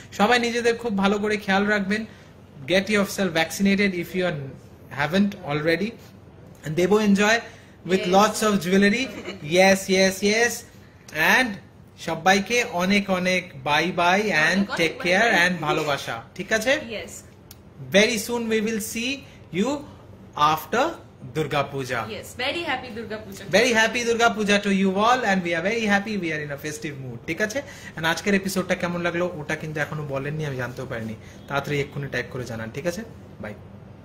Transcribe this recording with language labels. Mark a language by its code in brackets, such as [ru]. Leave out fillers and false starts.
[bn] সবাই নিজেদের খুব ভালো করে খেয়াল রাখবেন, [en] Get yourself vaccinated if you haven't already, দেবো enjoy with lots of jewellery. Yes yes yes, and সবাইকে অনেক অনেক bye bye and take care and ভালোবাসা, ঠিক আছে? Very soon we will see you after Durga Puja. Yes, very happy Durga Puja. Very happy Durga Puja to you all, and we are very happy. We are in a festive mood. ঠিক আছে? [bn] And আজকের episode টা কেমন লাগলো? ওটা কিন্তু এখনো বলেননি আমি জানতেও পারিনি। তাড়াতাড়ি এক্ষুনি type করে জানান, ঠিক আছে? Bye.